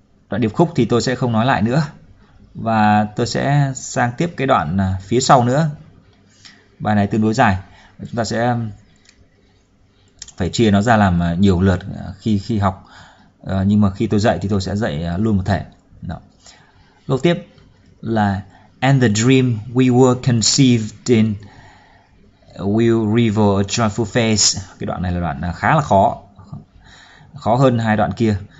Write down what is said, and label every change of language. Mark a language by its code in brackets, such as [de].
[vi] Đoạn điệp khúc thì tôi sẽ không nói lại nữa, và tôi sẽ sang tiếp cái đoạn phía sau nữa. Bài này tương đối dài, chúng ta sẽ phải chia nó ra làm nhiều lượt khi học. Nhưng mà khi tôi dạy thì tôi sẽ dạy luôn một thể. Đó. Câu tiếp là [en] and the dream we were conceived in will reveal a joyful face. [vi] Cái đoạn này là đoạn khá là khó. Khó hơn hai đoạn kia.